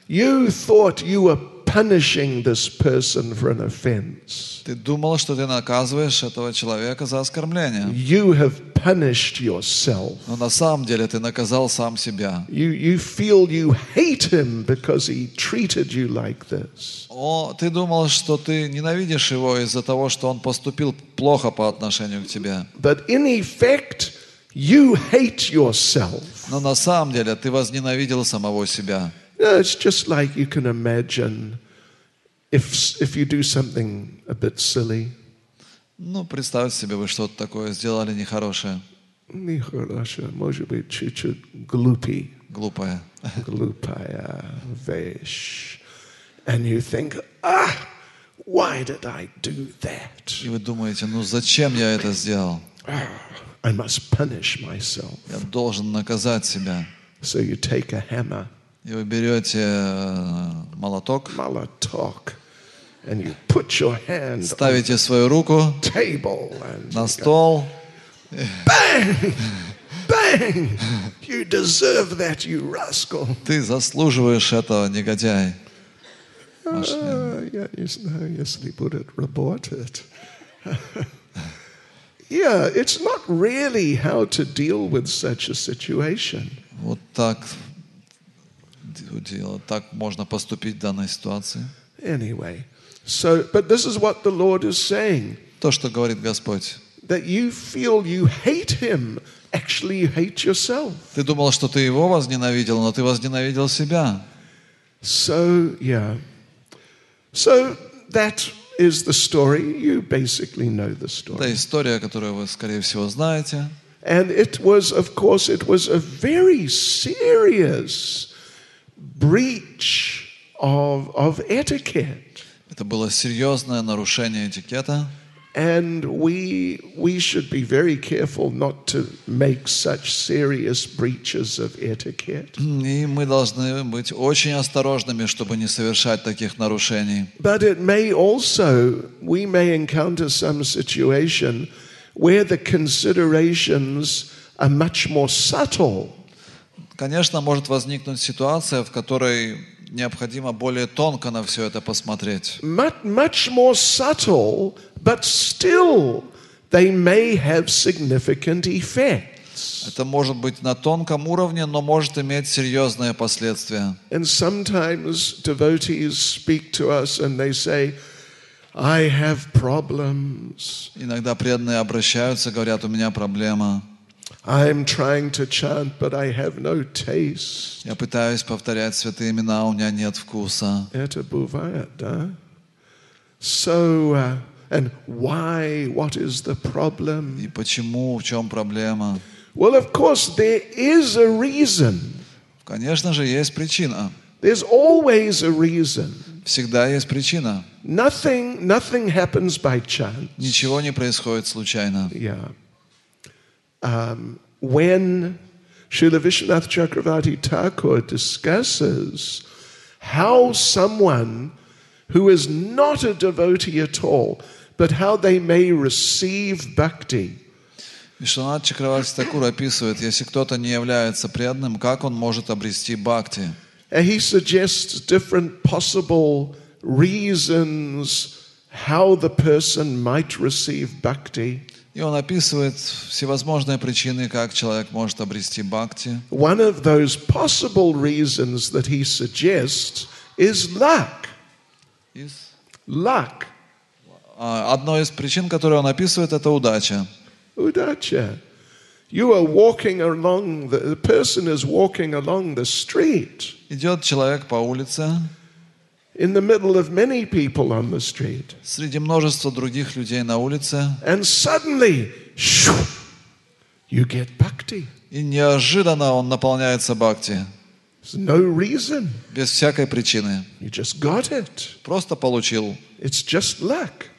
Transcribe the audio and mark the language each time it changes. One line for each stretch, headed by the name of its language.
English: You thought you were punishing this person for an offense.
Russian: Ты думал, что ты наказываешь этого человека за оскорбление.
English: You have punished yourself.
Russian: Но на самом деле ты наказал сам себя.
English: You feel you hate him because he treated you like this.
Russian: О, ты думал, что ты ненавидишь его из-за того, что он поступил плохо по отношению к тебе.
English: But in effect, you hate yourself.
Russian: Но на самом деле ты возненавидел самого себя.
English: No, it's just like you can imagine if you do something a bit silly.
Russian: Ну, представьте себе, вы что-то такое сделали нехорошее. Нехорошее, может быть, чуть-чуть глупее. Глупая. Глупая вещь.
English: And you think, ah, why did I do that?
Russian: И вы думаете, ну зачем я это сделал?
English: I must punish myself.
Russian: Я должен наказать себя.
English: So you take a hammer.
Russian: И вы берете молоток.
English: Молоток. And you put your hand
Russian: ставите свою руку на стол.
English: Bang! Bang! You deserve that, you rascal.
Russian: Ты заслуживаешь этого, негодяй. Я не знаю, если будет работать.
English: Yeah, it's not really how to deal with such a situation.
Russian: Вот так. Дело. Так можно поступить в данной ситуации.
English: Anyway, so, but this is what the Lord is saying.
Russian: То, что говорит Господь.
English: That you feel you hate him, actually you hate yourself.
Russian: Ты думал, что ты его возненавидел, но ты возненавидел себя.
English: So, yeah. So that is the story. You basically know the story.
Russian: Это история, которую вы, скорее всего, знаете.
English: And it was, of course, it was a very serious breach of etiquette.
Russian: Это было серьезное нарушение этикета.
English: And we should be very careful not to make such serious breaches of etiquette.
Russian: И мы должны быть очень осторожными, чтобы не совершать таких нарушений.
English: But it may also we may encounter some situation where the considerations are much more subtle.
Russian: Конечно, может возникнуть ситуация, в которой необходимо более тонко на все это посмотреть.
English: Much more subtle, but still they may have significant effects.
Russian: Это может быть на тонком уровне, но может иметь серьезные последствия.
English: And sometimes devotees speak to us and they say, I have problems.
Russian: Иногда преданные обращаются, говорят: у меня проблема.
English: I'm trying to chant, but I have no taste.
Russian: Я пытаюсь повторять святые имена, у меня нет вкуса. Это бывает, да?
English: So, and why? What is the problem?
Russian: И почему, в чем проблема?
English: Well, of course, there is a reason.
Russian: Конечно же, есть причина.
English: There's always a reason.
Russian: Всегда есть причина.
English: Nothing happens by chance.
Russian: Ничего не происходит случайно.
English: Yeah. When Srila Vishwanath Chakravarti Thakur discusses how someone who is not a devotee at all, but how they may receive bhakti.
Russian: Вишванат Чакраварти Такур описывает, если кто-то не является преданным, как он может обрести бхакти.
English: And he suggests different possible reasons how the person might receive bhakti.
Russian: И он описывает всевозможные причины, как человек может обрести бхакти.
English: One of those possible reasons that he suggests is luck. Is? Luck.
Russian: Одной из причин, которую он описывает, это удача. Удача.
English: You are walking along, the person is walking along the street.
Russian: Идет человек по улице.
English: In the middle of many people on the street.
Russian: Среди множества других людей на улице.
English: And suddenly, you get bhakti.
Russian: И неожиданно он наполняется бхакти.
English: There's no reason.
Russian: Без всякой причины.
English: You just got it.
Russian: Просто получил.
English: It's just luck.